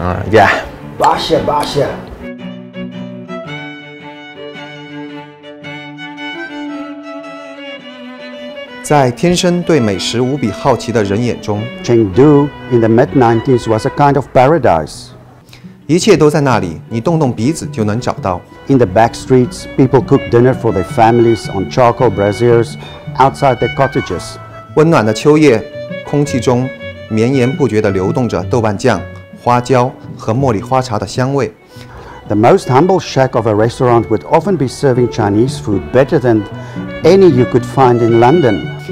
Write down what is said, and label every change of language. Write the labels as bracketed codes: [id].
[en] Yeah. 80, 80. Chengdu in the mid-90s was a kind of paradise. [zh] 一切都在那里，你动动鼻子就能找到。 [en] In the back streets, people cook dinner for their families on charcoal braziers outside their cottages. [zh] 温暖的秋夜，空气中绵延不绝地流动着豆瓣酱、花椒和茉莉花茶的香味。 [en] The most humble shack of a restaurant would often be serving Chinese food better than any you could find in London.